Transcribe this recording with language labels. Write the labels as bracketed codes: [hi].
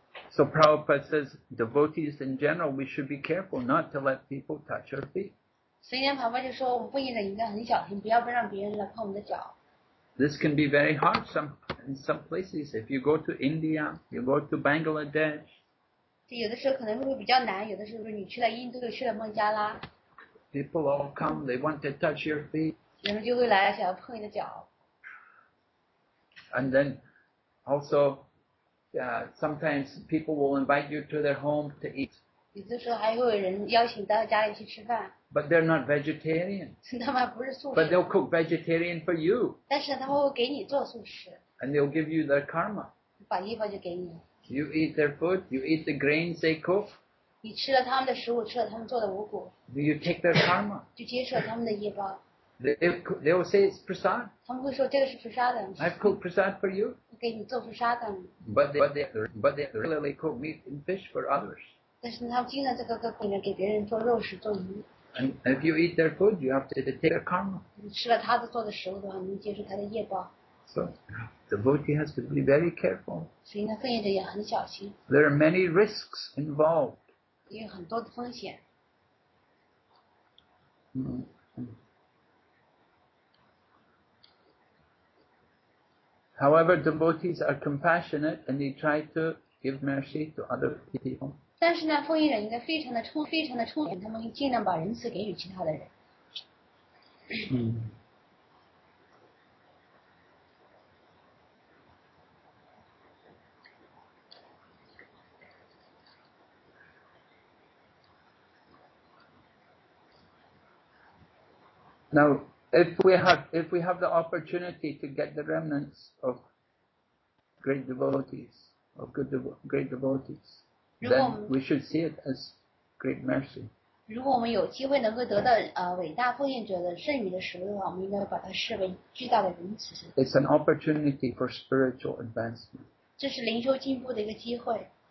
[en] So Prabhupada says, devotees in general, we should be careful not to let people touch our feet. [zh] 所以呢，旁边就说，我们奉献者应该很小心，不要让别人来碰我们的脚。 [en] This can be very hard in some places. If you go to India, you go to Bangladesh. [zh] 有的时候可能会比较难，有的时候你去了印度，去了孟加拉。 [en] People all come, they want to touch your feet. [zh] 人们就会来，想要碰你的脚。 [en] And then, also, sometimes people will invite you to their home to eat. [zh] 有的时候还会有人邀请到家里去吃饭。 [en] But they're not vegetarian. [zh] 他们不是素食。 [en] But they'll cook vegetarian for you. [zh] 但是他们会给你做素食。 [en] And they'll give you their karma. [zh] 把衣服就给你。 [en] You eat their food, you eat the grains they cook. [zh] 你吃了他们的食物，吃了他们做的五谷。 [en] Do you take their karma? [zh] 就接受他们的业报。 [en] They will say it's prasad. [zh] 他们会说这个是 prasad. [en] I've cooked prasad for you. [zh] 给你做 prasad. [en] But they really cook meat and fish for others. [zh] 但是他们经常在各个供应给别人做肉食做鱼。 [en] And if you eat their food, you have to take their karma. [zh] 你吃了他的做的食物的话，你接受他的业报。 [en] So. The devotee has to be very careful. [zh] 所以呢，奉献者也很小心。 [en] There are many risks involved. [zh] 有很多的风险。 [en] However, devotees are compassionate and they try to give mercy to other people. [zh] 但是呢，奉献者应该非常的充，非常的充分，他们会尽量把仁慈给予其他的人。 [en] Now, if we have the opportunity to get the remnants of great devotees, of good great devotees, then we should see it as great mercy. [zh] 如果我们有机会能够得到伟大奉献者的剩余的食物的话，我们应该把它视为巨大的恩赐。 [en] It's an opportunity for spiritual advancement. [zh] 这是灵修进步的一个机会。